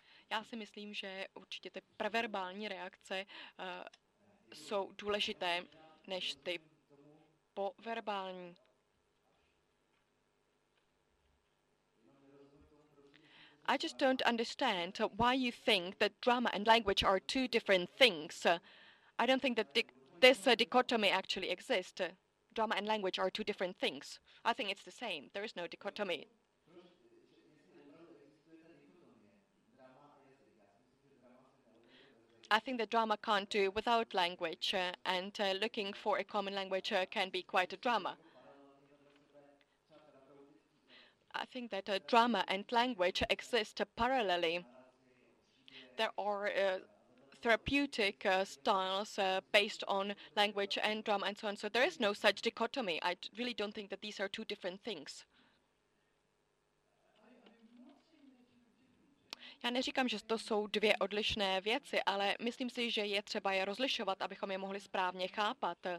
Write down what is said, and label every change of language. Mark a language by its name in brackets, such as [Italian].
[Czech] Já si myslím, že určitě ty preverbální reakce jsou důležité než ty poverbální. [English] I just don't understand why you think that drama and language are two different things. I don't think that this dichotomy actually exists. Drama and language are two different things. I think it's the same. There is no dichotomy. I think that drama can't do without language, and looking for a common language can be quite a drama. I think that drama and language exist parallelly. There are therapeutic styles based on language and drama and so on. So there is no such dichotomy. I really don't think that these are two different things. [Czech] Já neříkám, že to jsou dvě odlišné věci, ale myslím si, že je třeba je rozlišovat, abychom je mohli správně chápat.